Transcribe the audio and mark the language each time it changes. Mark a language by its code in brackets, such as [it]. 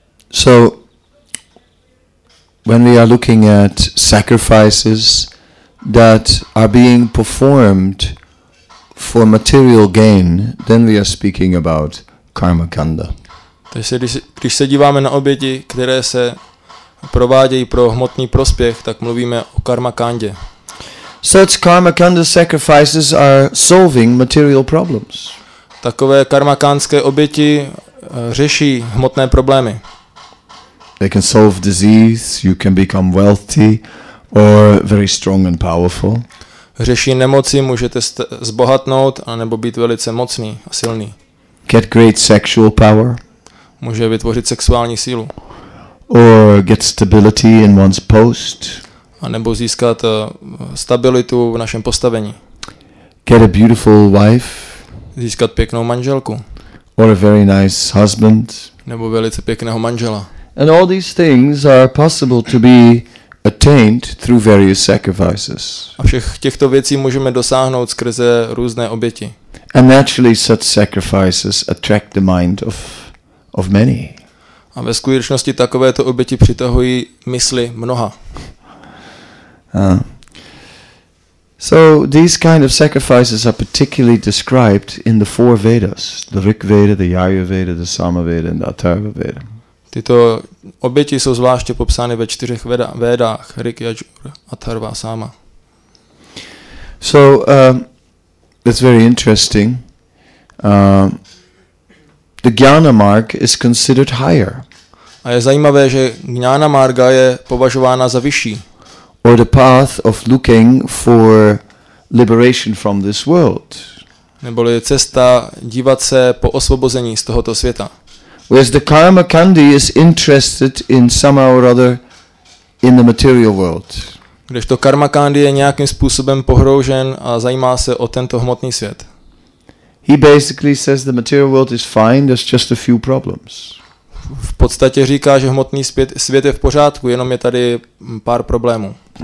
[en] So, when we are looking at sacrifices that are being performed for material gain, then we are speaking about karmakanda. [cs] Když se díváme na oběti, které se provádějí pro hmotný prospěch, tak mluvíme o karmakandě. [en] Such karmakanda sacrifices are solving material problems. [cs] Takové karmakandské oběti řeší hmotné problémy. [en] They can solve disease, you can become wealthy or very strong and powerful. [cs] Řeší nemoci, můžete zbohatnout a nebo být velice mocný a silný. [en] Get great sexual power. [cs] Může vytvořit sexuální sílu. [en] Or get stability in one's post. [cs] A nebo získat stabilitu v našem postavení. [en] Get a beautiful wife. [cs] Získat pěknou manželku. [en] Or a very nice husband. [cs] Nebo velice pěkného manžela. [en] And all these things are possible to be attained through various sacrifices. [cs] A všech těchto věcí můžeme dosáhnout skrze různé oběti. [en] And naturally such sacrifices attract the mind of many. [cs] A ve skutečnosti takovéto oběti přitahují mysli mnoha. [en] So these kind of sacrifices are particularly described in the four Vedas, the Rig Veda, the Yajur Veda, the Sama Veda and the Atharva Veda. [cs] Tyto oběti jsou zvláště popsány ve čtyřech Vedách, Rig, Yajur, Atharva, Sama. [en] So that's very interesting. The Jnana Marg is considered higher. [cs] A je zajímavé, že Jnana Marga je považována za vyšší. [en] Or the path of looking for liberation from this world. [cs] Neboli cesta dívat se po osvobození z tohoto světa. [en] Whereas the karmakandi is interested in somehow or other in the material world. [cs] Kdežto karmakandi je nějakým způsobem pohroužen a zajímá se o tento hmotný svět. [en] He basically says the material world is fine, there's just a few problems. [cs] V podstatě říká, že hmotný svět je v pořádku, jenom je tady pár problémů.